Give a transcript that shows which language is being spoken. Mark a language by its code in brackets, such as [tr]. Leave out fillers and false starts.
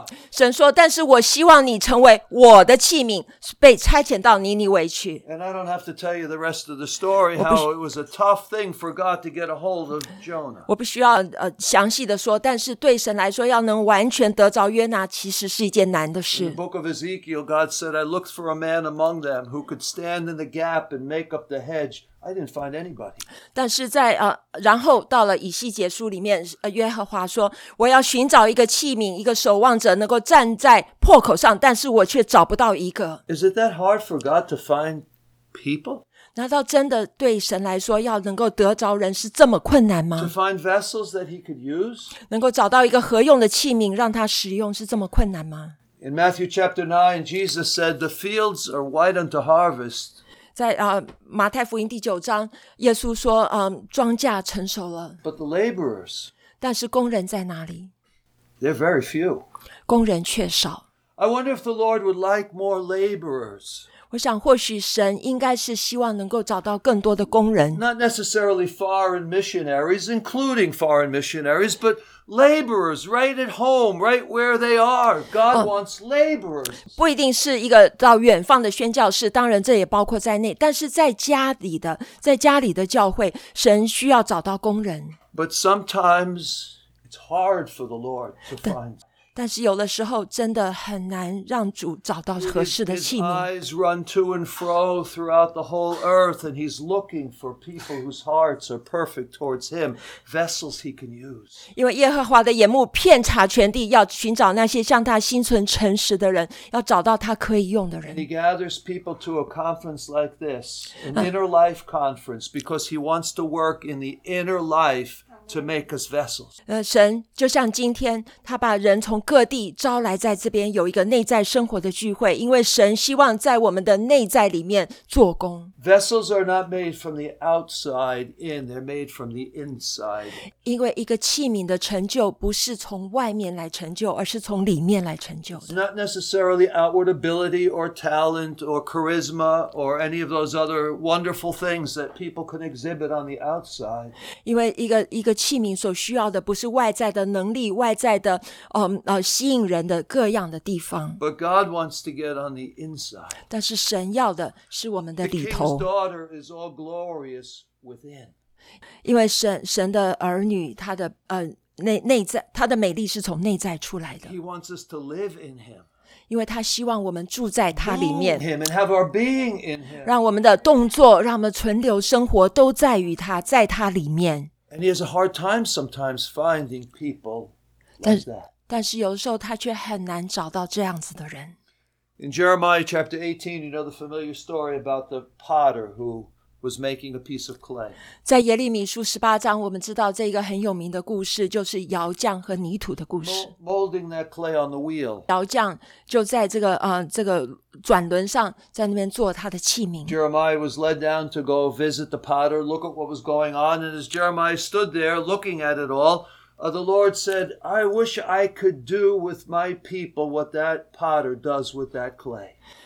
[zh] 神说，但是我希望你成为我的器皿，被差遣到尼尼微去。 [en] And I don't have to tell you the rest of the story, how it was a tough thing for God to get a hold of Jonah. [zh] 我不需要详细的说，但是对神来说，要能完全得着约拿，其实是一件难的事。 [en] In the book of Ezekiel, God said, I looked for a man among them who could stand in the gap and make up the hedge. I didn't find anybody. [zh] 但是在然后到了以西结书里面，约和华说，我要寻找一个器皿，一个守望者，能够站在破口上，但是我却找不到一个。 [en] Is it that hard for God to find people? [zh] 难道真的对神来说要能够得着人是这么困难吗？ [en] To find vessels that he could use? [zh] 能够找到一个合用的器皿让他使用是这么困难吗？ [en] In Matthew chapter 9, Jesus said, the fields are white unto harvest. [zh] 在马太福音第九章，耶稣说，庄稼成熟了。 [en] But the laborers? [zh] 但是工人在哪里？ [en] They're very few. [zh] 工人却少。 [en] I wonder if the Lord would like more laborers. [zh] 我想或许神应该是希望能够找到更多的工人。 [en] Not necessarily foreign missionaries, including foreign missionaries, but laborers right at home, right where they are. God wants laborers. [zh] 不一定是一个到远方的宣教士，当然这也包括在内，但是在家里的教会，神需要找到工人。 [en] But sometimes it's hard for the Lord to find. [zh] 但是有的时候真的很难让主找到合适的器皿。 [en] His eyes run to and fro throughout the whole earth, and he's looking for people whose hearts are perfect towards him, vessels he can use. [zh] 因为耶和华的眼目遍察全地，要寻找那些向他心存诚实的人，要找到他可以用的人。 [en] And he gathers people to a conference like this, an inner life conference, because he wants to work in the inner life to make us vessels. [zh] 神就像今天，他把人从各地招来在这边有一个内在生活的聚会，因为神希望在我们的内在里面做工。 [en] Vessels are not made from the outside in; they're made from the inside. [zh] 因为一个器皿的成就不是从外面来成就，而是从里面来成就的。 [en] It's not necessarily outward ability or talent or charisma or any of those other wonderful things that people can exhibit on the outside. [zh] 因为一个器皿所需要的不是外在的能力，外在的吸引人的各样的地方。 [en] But God wants to get on the inside. [zh] 但是神要的是我们的里头。 [en] The king's daughter is all glorious within. [zh] 因为神的儿女，他的内在，他的美丽是从内在出来的。 [en] He wants us to live in Him. [zh] 因为他希望我们住在他里面。 [en] Move Him and have our being in Him. [zh] 让我们的动作，让我们存留生活都在于他，在他里面。 [en] And he has a hard time sometimes finding people like that. [zh] 但是有的时候他却很难找到这样子的人。 [en] In Jeremiah chapter 18, you know the familiar story about the potter who was making a piece of clay. [zh] 在耶利米书十八章，我们知道这个很有名的故事，就是窑匠和泥土的故事。 [en] Molding that clay on the wheel. [zh] 窑匠就在这个转轮上，在那边做他的器皿。 [en] Jeremiah was led down to go visit the potter, look at what was going on, and as Jeremiah stood there looking at it all, the Lord said, I wish I could do with my people what that potter does with that clay.